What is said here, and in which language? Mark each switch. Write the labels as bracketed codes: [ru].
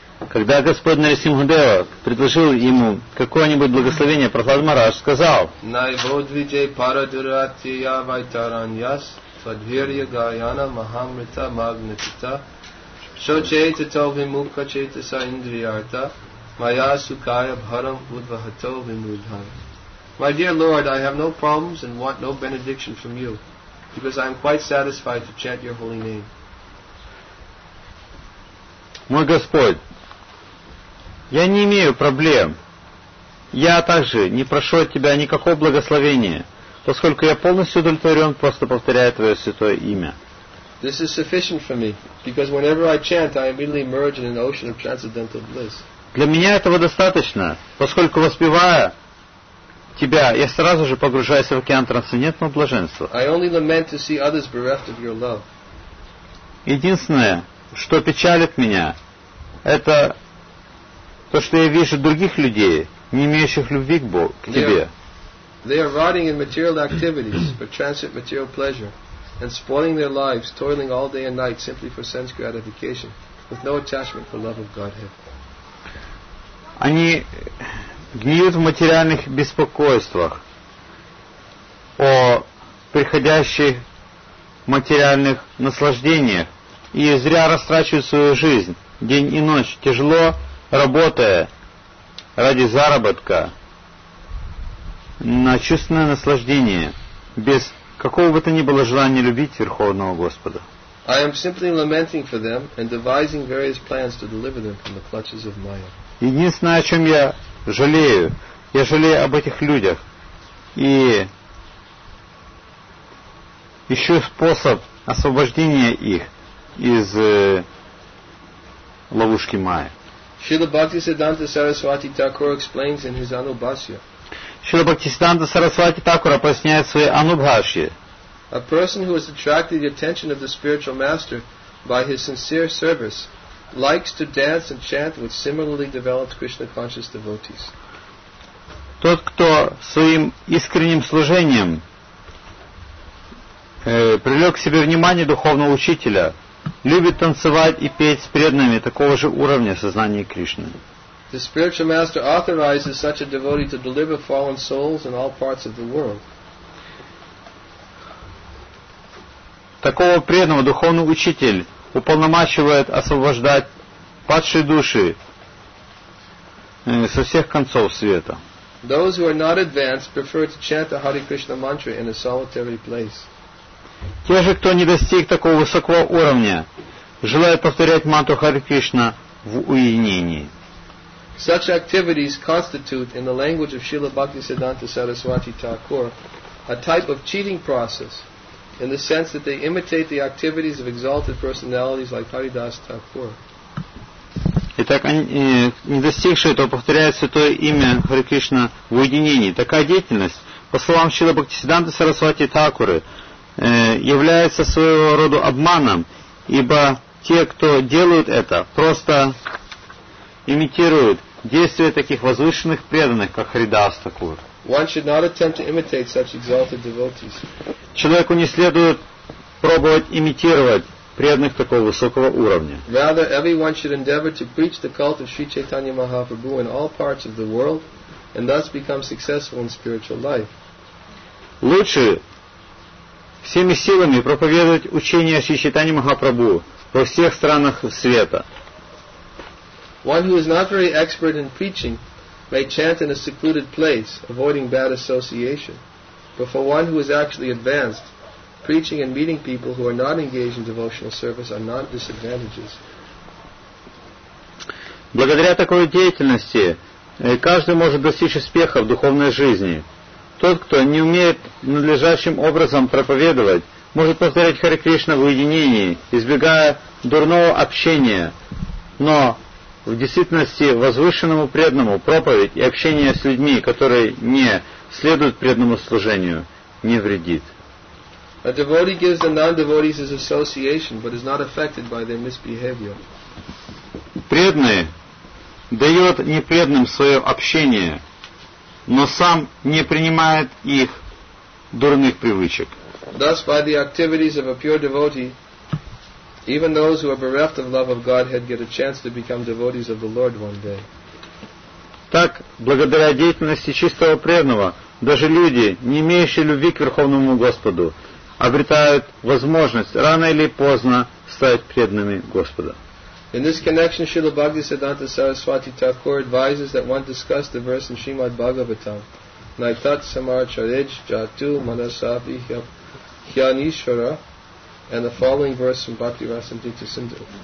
[ru] когда Господь Нарисимхадева предложил ему какое-нибудь благословение, Прохлад Махарадж сказал, [sa] Найбодвиджей парадуратия вайтараньяс садхирья гаяна махамрита магнатита шочейта товимукха чейтаса индриарта майя сукая бхарам удвахато вимудхан. [en] My dear Lord, I have no problems and want no benediction from you, because I am quite satisfied to chant your holy name. [ru] Мой Господь, я не имею проблем. Я также не прошу от Тебя никакого благословения, поскольку я полностью удовлетворен, просто повторяя Твое святое имя. [en] This is sufficient for me, because whenever I chant, I immediately merge in an ocean of transcendental bliss. [ru] Для меня этого достаточно, поскольку воспевая Тебя, я сразу же погружаюсь в океан трансцендентного блаженства. [en] I only lament to see others bereft of your love. [ru] Единственное, что печалит меня, это то, что я вижу других людей, не имеющих любви к Богу, к Тебе. [en] They are rotting in material activities for transient material pleasure and spoiling their lives, toiling all day and night simply for sense gratification with no attachment for love of Godhead. [ru] Они гниют в материальных беспокойствах о приходящих материальных наслаждениях и зря растрачивают свою жизнь день и ночь, тяжело работая ради заработка на чувственное наслаждение без какого бы то ни было желания любить Верховного Господа. [en] I am simply lamenting for them and devising various plans to deliver them from the clutches of Maya. [ru] Единственное, о чем я жалею. Я жалею об этих людях и ищу способ освобождения их из ловушки Майи. [en] Шрила Бхактисиддханта Сарасвати Тхакур explains in his Anubhasya. [ru] Шрила Бхактисиддханта Сарасвати Такура поясняет в своей Анубхаше. [en] A person who has attracted the attention of the spiritual master by his sincere service likes to dance and chant with similarly developed Krishna conscious devotees. [ru] Тот, кто своим искренним служением привлек к себе внимание духовного учителя, любит танцевать и петь с преданными такого же уровня сознания Кришны. [en] The spiritual master authorizes such a devotee to deliver fallen souls in all parts of the world. [ru] Такого преданного духовный учитель уполномачивает освобождать падшие души со всех концов света. [en] Those who are not advanced prefer to chant the Hare Krishna mantra in a solitary place. [ru] Те же, кто не достиг такого высокого уровня, желают повторять мантру Харе Кришна в уединении. [en] Such activities constitute, in the language of Srila Bhaktisiddhanta Saraswati Thakur, a type of cheating process, in the sense that they imitate the activities of exalted personalities like Haridas Thakur. [ru] Итак, не достигшие этого повторяют святое имя Харе Кришна в уединении. Такая деятельность, по словам Шрила Бхактисиддханта Сарасвати Такуры, является своего рода обманом, ибо те, кто делают это, просто имитируют действия таких возвышенных преданных, как Харидас Такур. [en] One should not attempt to imitate such exalted devotees. [ru] Человеку не следует пробовать имитировать преданных такого высокого уровня. [en] Rather, everyone should endeavor to preach the cult of Sri Chaitanya Mahaprabhu in all parts of the world and thus become successful in spiritual life. [ru] Лучше всеми силами проповедовать учение Шри Чайтанья Махапрабху во всех странах света. [en] One who is not very expert in preaching may chant in a secluded place, avoiding bad association. But for one who is actually advanced, preaching and meeting people who are not engaged in devotional service are not disadvantages. [ru] Благодаря такой деятельности каждый может достичь успеха в духовной жизни. Тот, кто не умеет надлежащим образом проповедовать, может повторять Харе Кришна в уединении, избегая дурного общения, но в действительности возвышенному преданному проповедь и общение с людьми, которые не следуют преданному служению, не вредит. [en] A devotee gives the non-devotees his association, but is not affected by their misbehavior. [ru] Преданный дает непреданным свое общение, но сам не принимает их дурных привычек. [en] Thus, by the activities of a pure devotee, even those who are bereft of love of Godhead get a chance to become devotees of the Lord one day. [ru] Так, благодаря деятельности чистого преданного, даже люди, не имеющие любви к Верховному Господу, обретают возможность рано или поздно стать преданными Господа. [en] In this connection, Srila Bhaktisiddhanta Saraswati Thakur advises that one discuss the verse in Srimad Bhagavatam, [sa] Naitat Samaracharej Jatu Manasavi Hyanishvara, [en] and the following verse from Bhakti Rasamrita Sindhu.